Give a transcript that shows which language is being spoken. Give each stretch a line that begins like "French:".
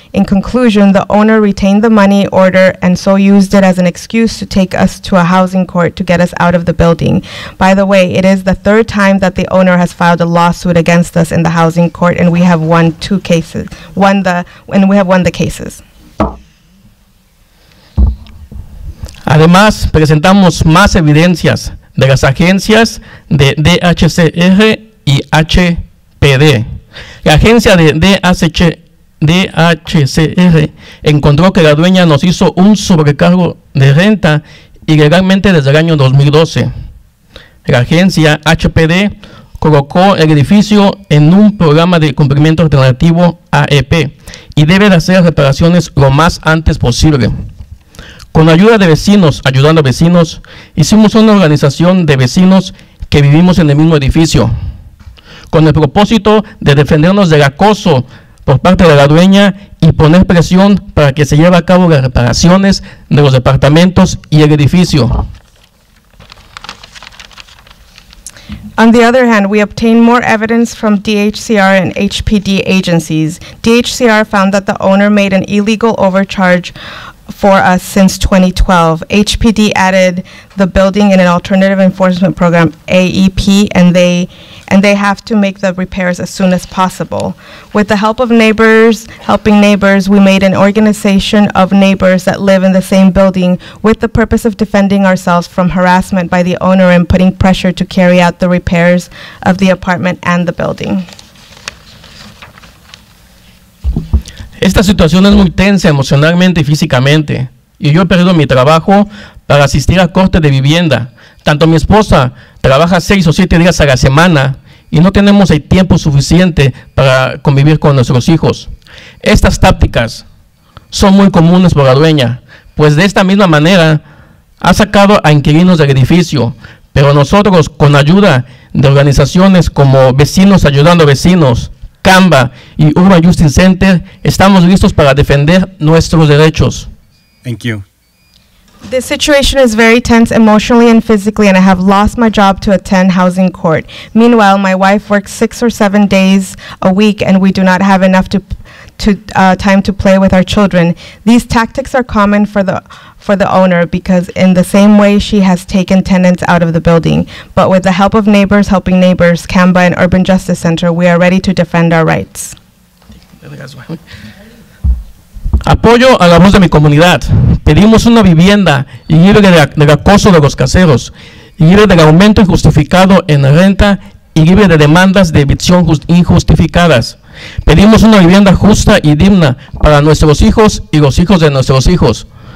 English: In conclusion, the owner retained the money order and so used it as an excuse to take us to a housing court to get us out of the building. By the way, it is the third time that the owner has filed a lawsuit against us in the housing court, and we have won two cases. And we have won the cases.
Spanish: Además, presentamos más evidencias de las agencias de DHCR y HPD. La agencia de DHCR encontró que la dueña nos hizo un sobrecargo de renta ilegalmente desde el año 2012. La agencia HPD colocó el edificio en un programa de cumplimiento alternativo AEP y debe de hacer reparaciones lo más antes posible. Con ayuda de vecinos, ayudando a vecinos, hicimos una organización de vecinos que vivimos en el mismo edificio, con el propósito de defendernos del acoso por parte de la dueña y poner presión para que se lleve a cabo las reparaciones de los departamentos y el edificio.
English: On the other hand, we obtained more evidence from DHCR and HPD agencies. DHCR found that the owner made an illegal overcharge for us since 2012. HPD added the building in an alternative enforcement program, AEP, and they have to make the repairs as soon as possible. With the help of neighbors, helping neighbors, we made an organization of neighbors that live in the same building with the purpose of defending ourselves from harassment by the owner and putting pressure to carry out the repairs of the apartment and the building.
Spanish: Esta situación es muy tensa emocionalmente y físicamente, y yo he perdido mi trabajo para asistir a corte de vivienda. Tanto mi esposa trabaja 6 o 7 días a la semana y no tenemos el tiempo suficiente para convivir con nuestros hijos. Estas tácticas son muy comunes por la dueña, pues de esta misma manera ha sacado a inquilinos del edificio, pero nosotros, con ayuda de organizaciones como Vecinos Ayudando a Vecinos, CAMBA y Urban Justice Center, estamos listos para defender nuestros derechos.
English: Thank you. This situation is very tense emotionally and physically, and I have lost my job to attend housing court. Meanwhile, my wife works 6 or 7 days a week, and we do not have enough time to play with our children. These tactics are common for the owner, because in the same way she has taken tenants out of the building. But with the help of neighbors helping neighbors, CAMBA and Urban Justice Center, we are ready to defend our rights.
Spanish: Apoyo a la voz de mi comunidad. Pedimos una vivienda libre del acoso de los caseros, libre del aumento injustificado en renta y libre de demandas de evicción injustificadas. Pedimos una vivienda justa y digna para nuestros hijos y los hijos de nuestros hijos.